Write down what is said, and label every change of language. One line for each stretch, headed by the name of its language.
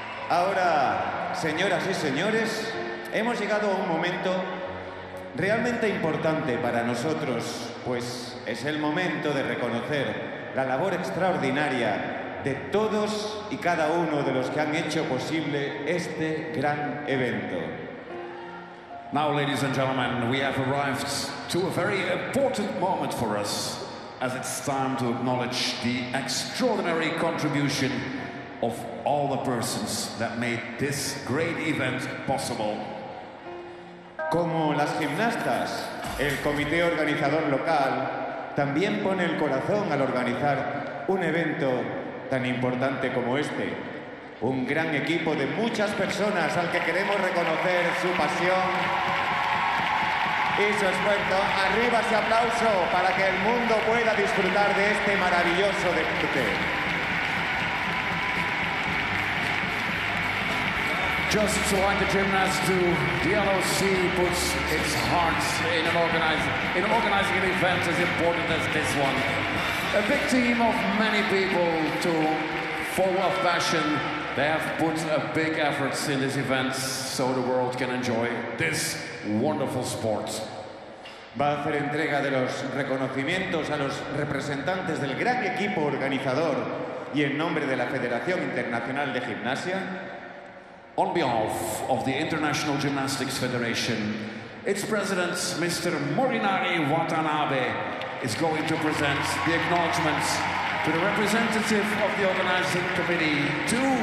Spanish: Ahora, señoras y señores, hemos llegado a un momento realmente importante para nosotros, pues es el momento de reconocer la labor extraordinaria de todos y cada uno de los que han hecho posible este gran evento.
English: Now, ladies and gentlemen, we have arrived to a very important moment for us, as it's time to acknowledge the extraordinary contribution of all the persons that made this great event possible.
Spanish: Como las gimnastas, el comité organizador local también pone el corazón al organizar un evento tan importante como este. Un gran equipo de muchas personas al que queremos reconocer su pasión y su esfuerzo. Arriba ese aplauso para que el mundo pueda disfrutar de este maravilloso deporte.
English: Just so like the gymnast do, the LOC puts its heart in organizing an event as important as this one. A big team of many people, too, full of passion. They have put a big effort in this event so the world can enjoy this wonderful sport.
Spanish: Va a hacer entrega de los reconocimientos a los representantes del gran equipo organizador y en nombre de la Federación Internacional de Gimnasia.
English: On behalf of the International Gymnastics Federation, its president, Mr. Morinari Watanabe, is going to present the acknowledgments to the representative of the organizing committee, to